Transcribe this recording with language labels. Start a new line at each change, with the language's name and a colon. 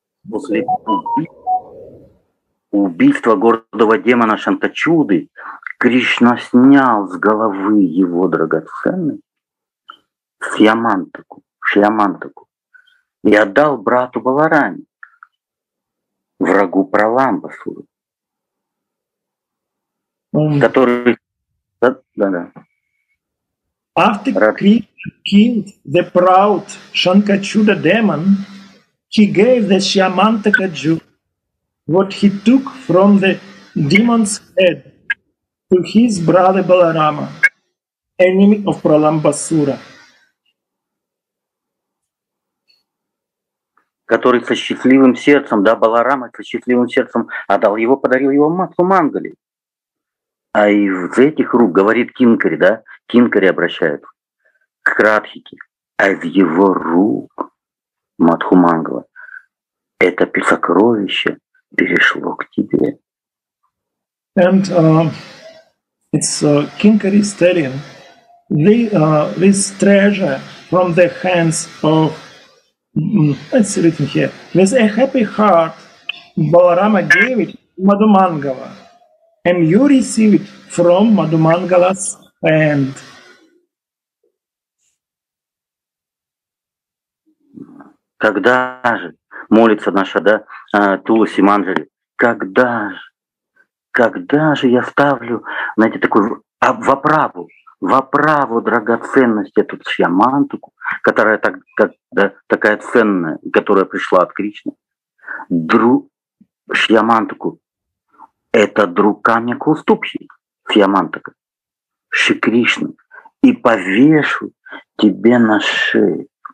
Russian: После убийства гордого демона Шантачуды Кришна снял с головы его драгоценность. Шьямантаку, и отдал брату Баларами, врагу Праламбасуру, который... Да-да.
English: After Krishna killed the proud Shankachuda demon, he gave the Shyamantaka jewel, what he took from the demon's head, to his brother Balarama, enemy of Праламбасура.
Russian: Который со счастливым сердцем, да, Баларама со счастливым сердцем отдал его, подарил его матку Мангали. А из этих рук, говорит Кинкари, да, Кинкари обращает к Радхике, а из его рук матку Мангала это сокровище перешло к тебе.
English: And it's Kinkari's telling, this treasure from the hands of it's written here. With a happy heart, Balarama gave it to Madhumangala, and you receive it from Madhumangala's hand.
Russian: Когда же, молится наша, да, Туласи Манджари, когда же я ставлю, знаете, такую в оправу драгоценность эту Шьямантаку, которая так, как, да, такая ценная, которая пришла от Кришны, Шьямантаку, это друг камня Кауступхи, Шьямантака, Шри Кришна, и повешу тебе на шею.